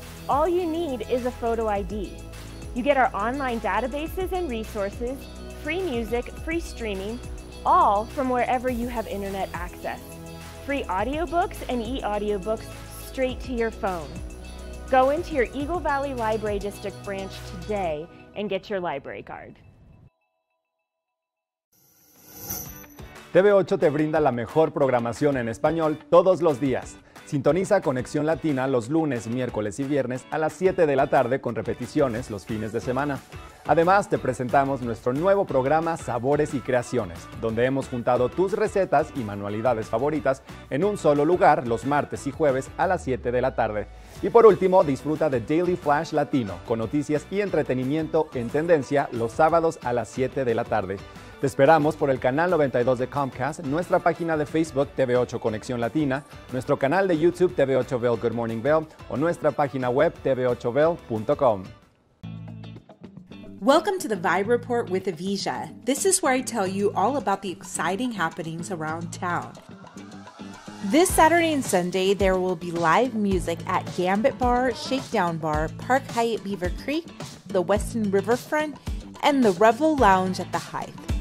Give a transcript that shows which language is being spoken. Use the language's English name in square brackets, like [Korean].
[English] All you need is a photo ID. You get our online databases and resources, free music, free streaming, all from wherever you have internet access. Free audiobooks and e-audiobooks straight to your phone. Go into your Eagle Valley Library District branch today and get your library card. [Spanish] TV8 te brinda la mejor programación en español todos los días. Sintoniza Conexión Latina los lunes, miércoles y viernes a las 7 de la tarde con repeticiones los fines de semana. Además, te presentamos nuestro nuevo programa Sabores y Creaciones, donde hemos juntado tus recetas y manualidades favoritas en un solo lugar los martes y jueves a las 7 de la tarde. Y por último, disfruta de Daily Flash Latino con noticias y entretenimiento en tendencia los sábados a las 7 de la tarde. Te esperamos por el canal 92 de Comcast, nuestra página de Facebook TV8 Conexión Latina, nuestro canal de YouTube TV8 Vail Good Morning Vail o nuestra página web tv8vail.com. [English] Welcome to the Vibe Report with Avisia. This is where I tell you all about the exciting happenings around town. This Saturday and Sunday, there will be live music at Gambit Bar, Shakedown Bar, Park Hyatt Beaver Creek, the Weston Riverfront, and the Revel Lounge at the Hythe.